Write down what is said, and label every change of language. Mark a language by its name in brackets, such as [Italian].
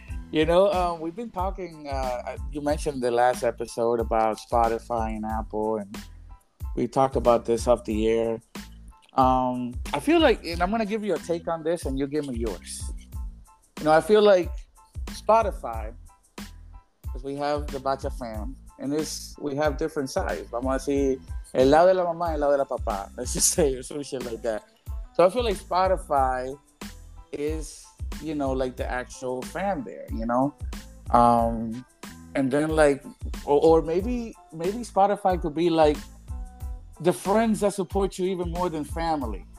[English] You know, we've been talking, you mentioned the last episode about Spotify and Apple, and we talked about this off the air. I feel like, and I'm going to give you a take on this and you give me yours. You know, I feel like Spotify, because we have the Bacha fam, and it's, we have different sides. [Spanish] Vamos a decir, el lado de la mamá y el lado de la papá. [English] Let's just say or some shit like that. So I feel like Spotify is, you know, like the actual fan there, you know? And then like, or maybe Spotify could be like, the friends that support you even more than family.